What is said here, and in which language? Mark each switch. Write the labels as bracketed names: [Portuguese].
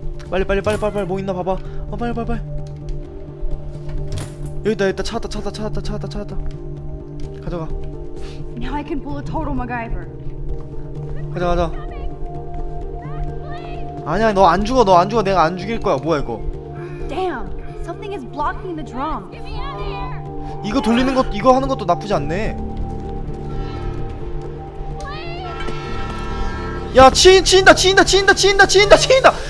[Korean] 빨리 빨리 빨리 빨리 빨리 뭐 있나 봐봐. 어, 빨리 빨리 빨리. 여기다, 여기다 찾았다, 찾았다, 찾았다, 찾았다, 찾았다. 가져가. [English] Now I can pull a total MacGyver. [Korean] 가자, 가자. 아니야, 너 안 죽어, 너 안 죽어. 내가 안 죽일 거야. 뭐야 이거? [English] Damn, something is blocking the drum. [Korean] 이거 돌리는 것, 이거 하는 것도 나쁘지 않네. 야, 치인, 치인다, 치인다, 치인다, 치인다, 치인다, 치인다.